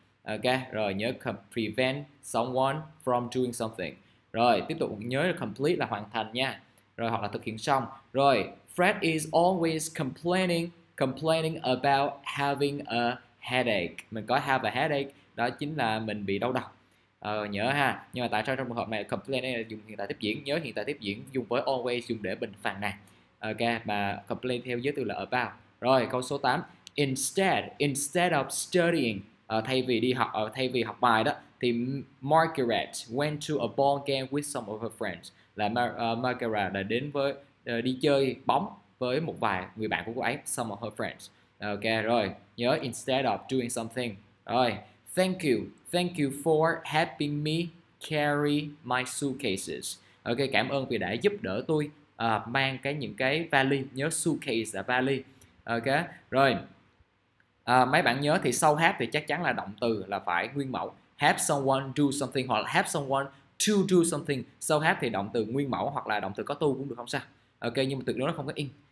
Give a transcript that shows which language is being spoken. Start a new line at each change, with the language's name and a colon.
English: Ok,
Vietnamese: rồi nhớ
English: prevent someone from doing something.
Vietnamese: Rồi, tiếp tục nhớ là complete là hoàn thành nha. Rồi, hoặc là thực hiện xong.
English: Rồi, Fred is always complaining about having a headache.
Vietnamese: Mình có
English: have a headache,
Vietnamese: đó chính là mình bị đau đầu. Nhớ ha. Nhưng mà tại sao trong trường hợp này complain này là dùng hiện tại tiếp diễn? Nhớ hiện tại tiếp diễn dùng với always, dùng để mình phàn nàn. Ok, mà complain theo giới từ là about. Rồi, câu số 8.
English: Instead of studying,
Vietnamese: thay vì học bài đó, thì
English: Margaret went to a ball game with some of her friends.
Vietnamese: Là Margaret đã đến với đi chơi bóng với một vài người bạn của cô ấy,
English: some of her friends. Ok,
Vietnamese: rồi, nhớ
English: instead of doing something. Rồi, thank you for helping me carry my suitcases.
Vietnamese: Ok, cảm ơn vì đã giúp đỡ tôi mang cái những cái vali, nhớ suitcase là vali. Ok, rồi. Mấy bạn nhớ thì sau have thì chắc chắn là động từ là phải nguyên mẫu.
English: Have someone do something
Vietnamese: hoặc là
English: have someone to do something.
Vietnamese: Sau have thì động từ nguyên mẫu hoặc là động từ có to cũng được không sao. Ok, nhưng mà tuyệt đối nó không có in.